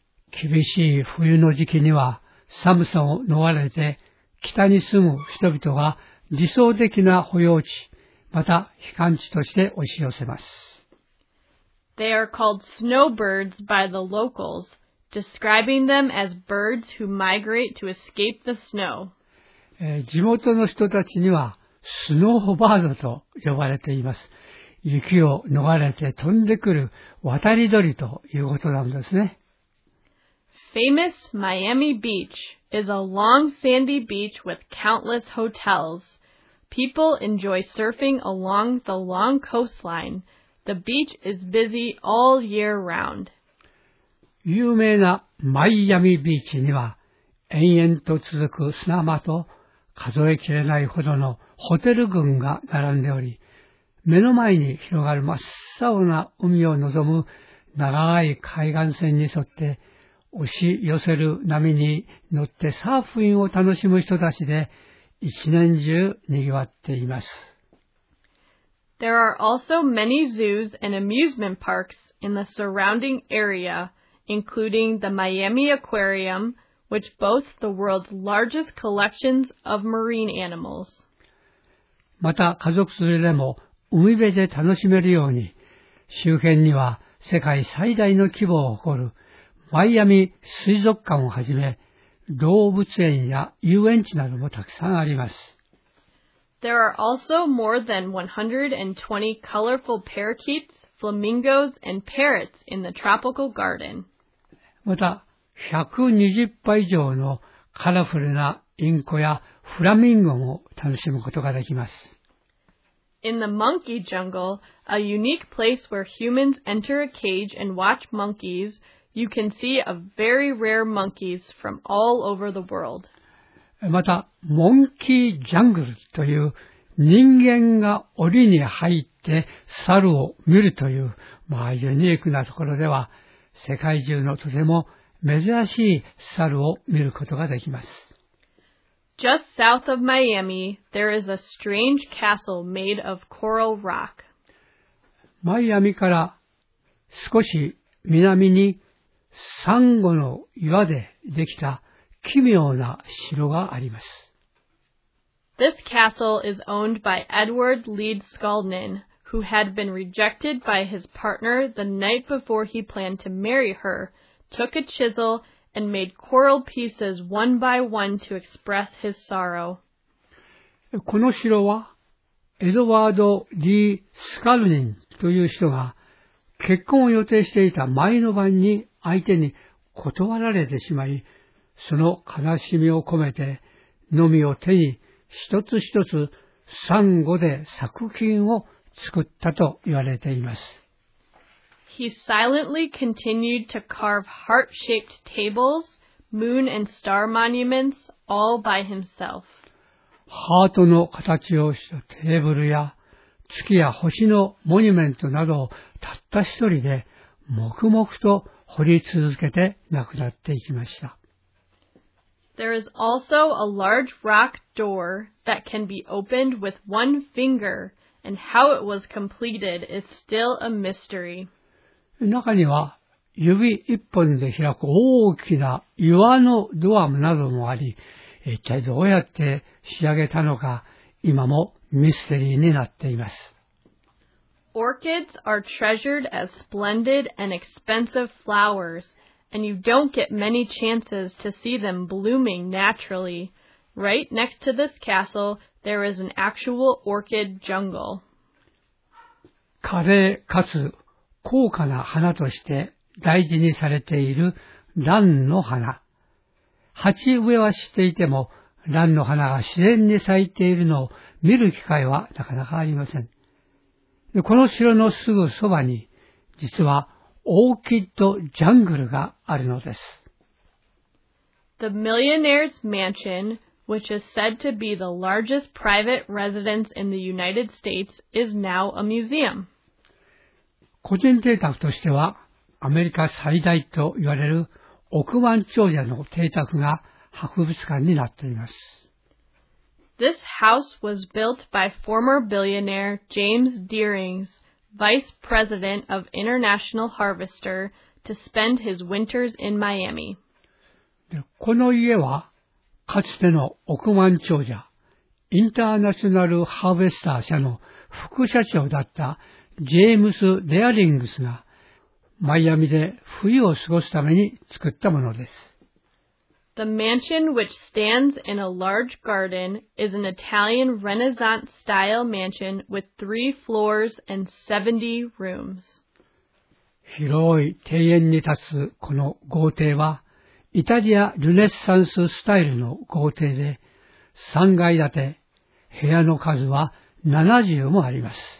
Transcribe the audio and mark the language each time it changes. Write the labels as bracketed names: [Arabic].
[Japanese] 厳しい冬の時期には寒さを逃れて北に住む人々が理想的な保養地、また避寒地として押し寄せます。 [English] They are called snowbirds by the locals. Describing them as birds who migrate to escape the snow. [Japanese] 地元の人たちにはスノーバードと呼ばれています。雪を逃れて飛んでくる渡り鳥ということなんですね。 [English] Famous Miami Beach is a long sandy beach with countless hotels. People enjoy surfing along the long coastline. The beach is busy all year round. [Japanese] 有名なマイアミビーチには延々と続く砂浜と数えきれないほどのホテル群が並んでおり、目の前に広がる真っ青な海を望む長い海岸線に沿って押し寄せる波に乗ってサーフィンを楽しむ人たちで一年中にぎわっています。 [English] There are also many zoos and amusement parks in the surrounding area. including the Miami Aquarium, which boasts the world's largest collections of marine animals. [Japanese] また家族連れでも海辺で楽しめるように、周辺には世界最大の規模を誇るマイアミ水族館をはじめ、動物園や遊園地などもたくさんあります。 [English] There are also more than 120 colorful parakeets, flamingos, and parrots in the tropical garden. [Japanese] また、120羽以上のカラフルなインコやフラミンゴも楽しむことができます。 [English] In the monkey jungle, a unique place where humans enter a cage and watch monkeys, you can see a very rare monkeys from all over the world. [Japanese] また、モンキージャングルという人間が檻に入って猿を見るという、まあ、ユニークなところでは、世界中のとても珍しい猿を見ることができます。 [English] Just south of Miami, there is a strange castle made of coral rock. [Japanese] マイアミから少し南にサンゴの岩でできた奇妙な城があります。 [English] This castle is owned by Edward Lead Skaldnin, who had been rejected by his partner the night before he planned to marry her, took a chisel and made coral pieces one by one to express his sorrow. [Japanese] この城は、エドワード・リー・スカルニンという人が結婚を予定していた前の晩に相手に断られてしまい、その悲しみを込めて、のみを手に一つ一つサンゴで作品を作ったと言われています。 [English] He silently continued to carve heart-shaped tables, moon and star monuments, all by himself. [Japanese] ハートの形をしたテーブルや月や星のモニュメントなどをたった一人で黙々と彫り続けて亡くなっていきました。 [English] There is also a large rock door that can be opened with one finger, and how it was completed is still a mystery. [Japanese] 中には指一本で開く大きな岩のドアなどもあり、一体どうやって仕上げたのか今もミステリーになっています。 [English] Orchids are treasured as splendid and expensive flowers, and you don't get many chances to see them blooming naturally. Right next to this castle, there is an actual orchid jungle. [Japanese] 華麗かつ高価な花として大事にされている蘭の花。鉢植えはしていても蘭の花が自然に咲いているのを見る機会はなかなかありません。この城のすぐそばに実はオーキッドジャングルがあるのです。 [English] The Millionaire's Mansion, which is said to be the largest private residence in the United States, is now a museum. [Japanese] 個人邸宅としてはアメリカ最大と言われる億万長者の邸宅が博物館になっています。 [English] This house was built by former billionaire James Deerings, vice president of International Harvester, to spend his winters in Miami. [Japanese] この家はかつての億万長者、インターナショナルハーベスター社の副社長だったジェームス・デアリングスがマイアミで冬を過ごすために作ったものです。 [English] The mansion which stands in a large garden is an Italian Renaissance style mansion with 3 floors and 70 rooms. [Japanese] 広い庭園に立つこの豪邸はイタリアルネッサンススタイルの豪邸で3階建て、部屋の数は70もあります。